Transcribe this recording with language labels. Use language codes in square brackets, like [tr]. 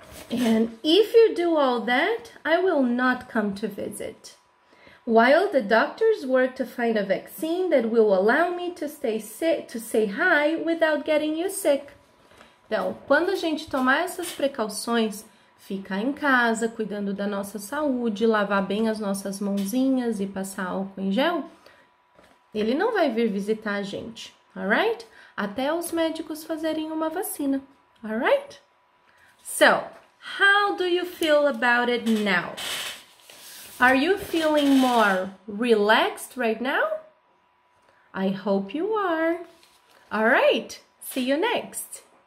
[en] And if you do all that, I will not come to visit. While the doctors work to find a vaccine that will allow me to stay sick, to say hi without getting you sick. [pt] Então, quando a gente tomar essas precauções, ficar em casa, cuidando da nossa saúde, lavar bem as nossas mãozinhas e passar álcool em gel, ele não vai vir visitar a gente, alright? Até os médicos fazerem uma vacina, alright? [en] So, how do you feel about it now? Are you feeling more relaxed right now? I hope you are. All right, see you next.